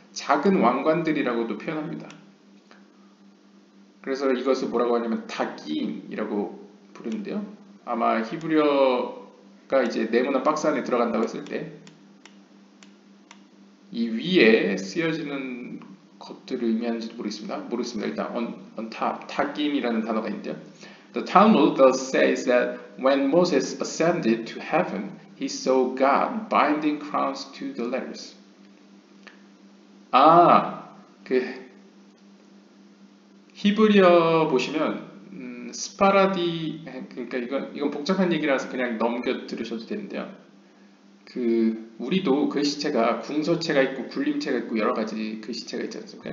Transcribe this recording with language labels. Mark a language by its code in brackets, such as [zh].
[ko] 작은 왕관들이라고도 표현합니다. 그래서 이것을 뭐라고 하냐면 다기임이라고 부르는데요. 아마 히브리어가 이제 네모난 박스 안에 들어간다고 했을 때 이 위에 쓰여지는 것들을 의미하는지도 모르겠습니다. 모르겠습니다. 일단 [en] on top, [ko] 다기임이라는 단어가 있는데요. [en] The Talmud thus says that when Moses ascended to heaven, he saw God binding crowns to the letters. [ko] 아, 그 히브리어 보시면 스파라디 그러니까 이건 복잡한 얘기라서 그냥 넘겨 들으셔도 되는데요. 그 우리도 글씨체가 궁서체가 있고 굴림체가 있고 여러 가지 글씨체가 있지 않습니까?